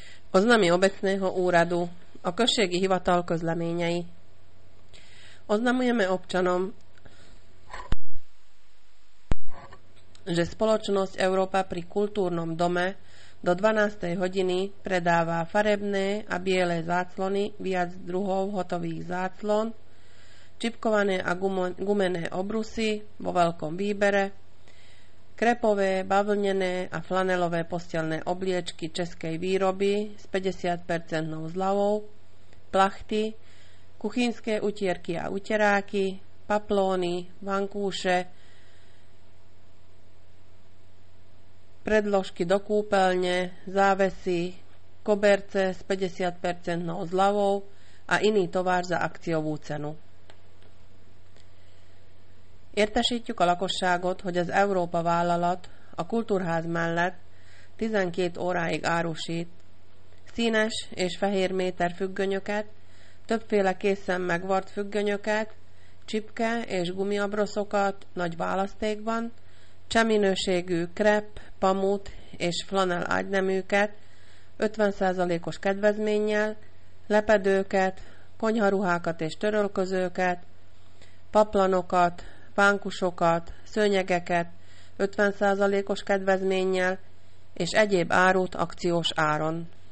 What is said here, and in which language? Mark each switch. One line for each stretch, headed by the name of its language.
Slovak: Poznámi obecného úradu o
Hungarian: községi hivatal közleményei.
Slovak: Oznamujeme občanom, že spoločnosť Európa pri kultúrnom dome do 12. hodiny predáva farebné a biele záclony, viac druhov hotových záclon, čipkované a gumené obrusy vo veľkom výbere, krepové, bavlnené a flanelové postelné obliečky českej výroby s 50% zľavou, plachty, kuchynské utierky a uteráky, paplóny, vankúše, predložky do kúpeľne, závesy, koberce s 50% zľavou a iný tovar za akciovú cenu.
Hungarian: Értesítjük a lakosságot, hogy az Európa vállalat a kultúrház mellett 12 óráig árusít színes és fehér méter függönyöket, többféle készen megvart függönyöket, csipke és gumiabroszokat nagy választékban, cseminőségű krep, pamut és flanel ágyneműket 50%-os kedvezménnyel, lepedőket, konyharuhákat és törölközőket, paplanokat, pánkusokat, szőnyegeket 50%-os kedvezménnyel és egyéb árut akciós áron.